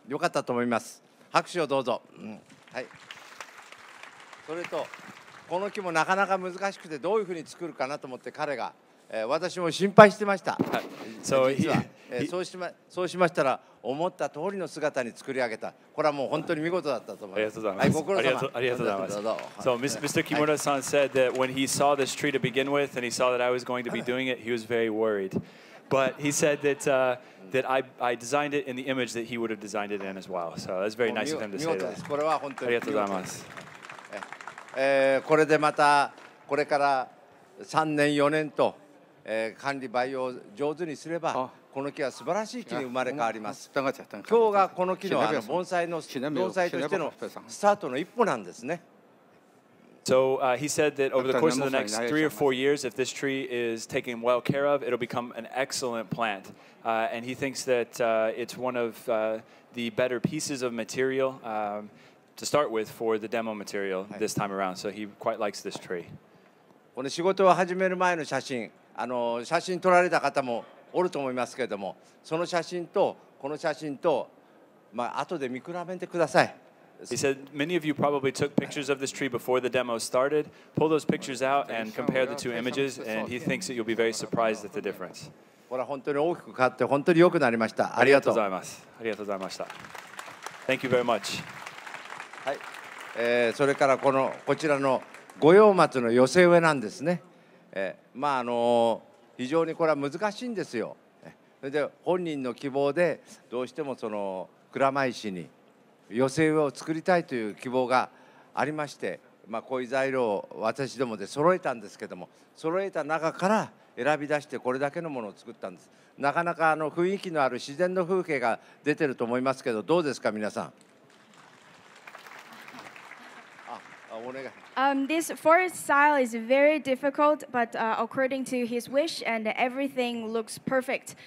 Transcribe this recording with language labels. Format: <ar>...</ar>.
<ja>良かったと思います。拍手をどうぞ。はい。それと。この木もなかなか難しくてどういうふうに作るかなと思って彼が、私も心配してました。そうしましたら思った通りの姿に作り上げた。これはもう本当に見事だったと思います。ありがとうございます。ありがとうございます。</ja> <en>So Mr. Kimura-san said that when he saw this tree to begin with and he saw that I was going to be doing it, he was very worried. But he said that, that I designed it in the image that he would have designed it in as well. So that's very nice of him to say that.</en> <ja>これは本当にありがとうございます。これでまたこれから3年4年と管理培養を上手にすればこの木は素晴らしい木に生まれ変わります。今日がこの木 の, あの盆栽の盆栽としてのスタートの一歩なんですね。</ja> <en>So he said that over the course of the next three or four years, if this tree is taken well care of, it'll become an excellent plant. And he thinks that it's one of the better pieces of material to start with for the demo material this time around. So he quite likes this tree.</en> <ja>この仕事を始める前の写真、あの写真撮られた方もおると思いますけれども、その写真とこの写真と、まあ後で見比べてください。</ja> <en>He said many of you probably took pictures of this tree before the demo started. Pull those pictures out and compare the two images, and he thinks that you'll be very surprised at the difference.</en> <ja>これは本当に大きく変わって本当に良くなりました。ありがとうございます。ありがとうございました。</ja> <en>Thank you very much.</en> <ja>はい、それからこのこちらの五葉松の寄せ植えなんですね。まあ非常にこれは難しいんですよ。それで本人の希望でどうしてもその蔵前市に寄せ植えを作りたいという希望がありまして、まあ、こういう材料を私どもで揃えたんですけども、揃えた中から選び出してこれだけのものを作ったんです。なかなかあの雰囲気のある自然の風景が出てると思いますけど、どうですか皆さん。</ja> <en>This forest style is very difficult, but according to his wish, and everything looks perfect.</en>